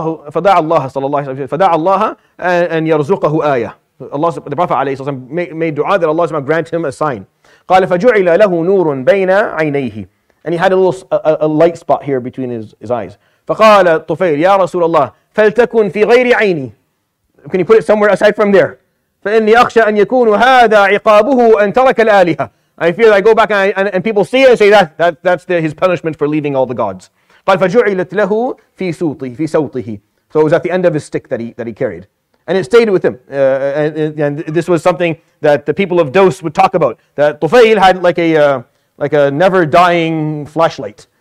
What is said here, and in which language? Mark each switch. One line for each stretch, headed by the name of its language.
Arabic: فدع الله صلى الله عليه وسلم فدع الله أن يرزقه آية.
English: Allah the Prophet
Arabic: عليه الصلاة والسلام
English: made dua that Allah grant him a sign.
Arabic: قال فجعل له نور بين عينيه.
English: And he had a little a light spot here between his eyes.
Arabic: فقال طفيل يا رسول الله فلتكن في غير عيني.
English: Can you put it somewhere aside from there?
Arabic: فإني أخشى أن يكون هذا عقابه أن ترك الآلهة.
English: I fear that I go back and people see it and say that's his punishment for leaving all the gods.
Arabic: قال فجعلت له في صوته.
English: So it was at the end of his stick that he carried. And it stayed with him. And this was something that the people of Dos would talk about. That Tufayl had like a never-dying flashlight.